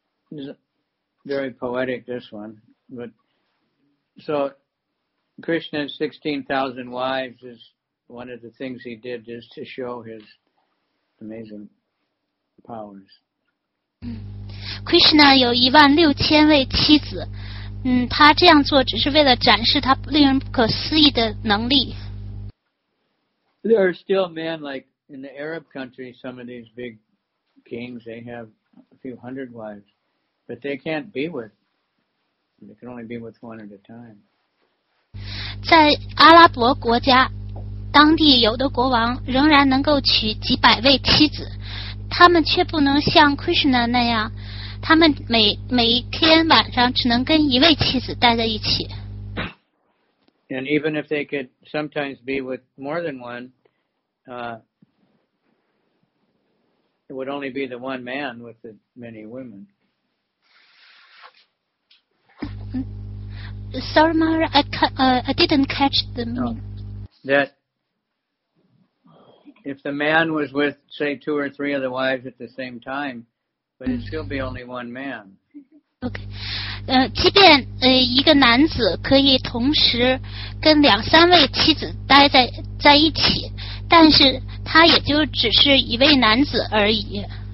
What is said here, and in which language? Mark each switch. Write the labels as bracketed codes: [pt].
[en] It's very poetic, this one. But so Krishna's 16,000 wives is one of the things he did just to show his amazing powers. [zh] Krishna 有一万六千位妻子，他这样做只是为了展示他令人不可思议的能力。 [en] There are still men like in the Arab countries, some of these big kings, they have a few hundred wives, but they can't be with, they can only be with one at a time. [zh] 在阿拉伯国家，当地有的国王仍然能够娶几百位妻子，他们却不能像 Krishna 那样，他们每天晚上只能跟一位妻子待在一起。 [en] And even if they could sometimes be with more than one, it would only be the one man with the many women. Sorry, Mara, I didn't catch the meaning. That if the man was with, say, two or three of the wives at the same time, but it'd still be only one man. Okay. [zh] 即便一个男子可以同时跟两三位妻子待在一起，但是他也就只是一位男子而已。